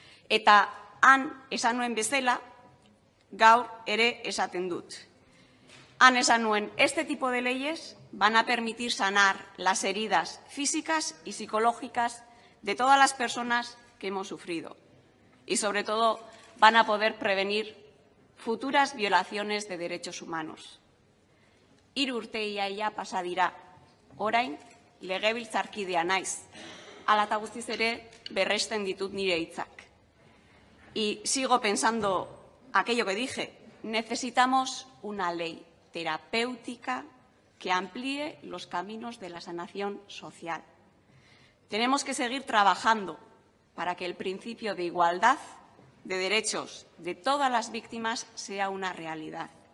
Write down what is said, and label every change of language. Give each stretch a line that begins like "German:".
Basque: Eta han esan nuen bezala, gaur ere esaten dut. Han esan nuen,
Spanish: este tipo de leyes van a permitir sanar las heridas físicas y psicológicas de todas las personas que hemos sufrido. Y sobre todo, van a poder prevenir futuras violaciones de derechos humanos.
Basque: Hiru urte iaia pasa dira, orain legebiltzarkidea naiz, hala eta guztiz ere berresten ditut nire hitzak.
Spanish: Y sigo pensando aquello que dije, necesitamos una ley terapéutica que amplíe los caminos de la sanación social. Tenemos que seguir trabajando para que el principio de igualdad de derechos de todas las víctimas sea una realidad.